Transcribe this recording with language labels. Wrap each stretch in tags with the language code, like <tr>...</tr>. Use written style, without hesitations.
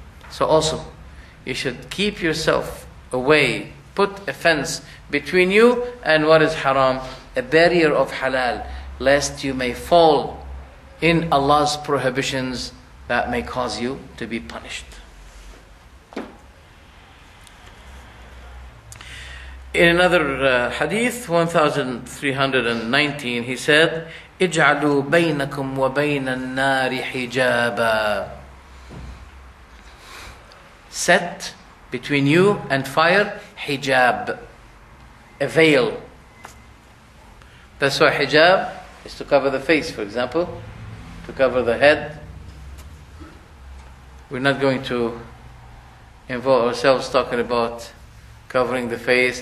<en>So also, you should keep yourself away, put a fence between you and what is haram, a barrier of halal, lest you may fall in Allah's prohibitions that may cause you to be punished. In another hadith, 1319, he said,</en> <ar>اجعلوا بينكم وبين النار حجابا.</ar> <en>Set between you and fire hijab, a veil. That's why hijab is to cover the face, for example, to cover the head. We're not going to involve ourselves talking about covering the face.</en>